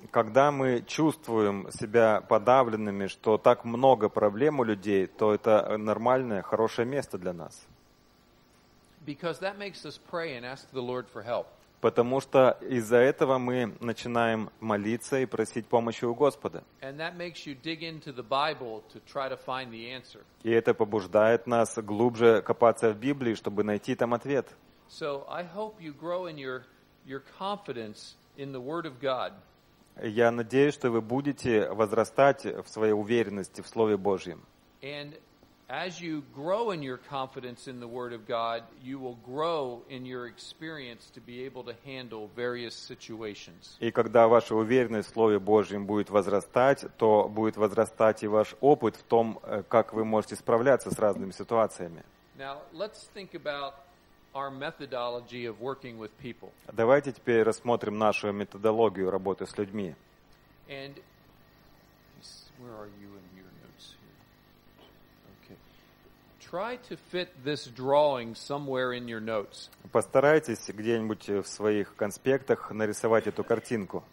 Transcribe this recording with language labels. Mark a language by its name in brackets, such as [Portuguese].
[Russian] Когда мы чувствуем себя подавленными, что так много проблем у людей, то это нормальное, хорошее место для нас. [English] Because that makes us pray and ask the Lord for help. [Russian] Потому что из-за этого мы начинаем молиться и просить помощи у Господа. [English] And that makes you dig into the Bible to try to find the answer. [Russian] И это побуждает нас глубже копаться в Библии, чтобы найти там ответ. [English] So I hope you grow in your confidence in the word of God. [Russian] Я надеюсь, что вы будете возрастать в своей уверенности в Слове Божьем. [English] And as you grow in your confidence in the word of God, you will grow in your experience to be able to handle various situations. [Russian] И когда ваша уверенность в Слове Божьем будет возрастать, то будет возрастать и ваш опыт в том, как вы можете справляться с разными ситуациями. [English] Now, let's think about our methodology of working with people. [Russian] Давайте теперь рассмотрим нашу методологию работы с людьми. [English] And where are you in your notes here? Okay. Try to fit this drawing somewhere in your notes. [Russian] Постарайтесь где-нибудь в своих конспектах нарисовать эту картинку.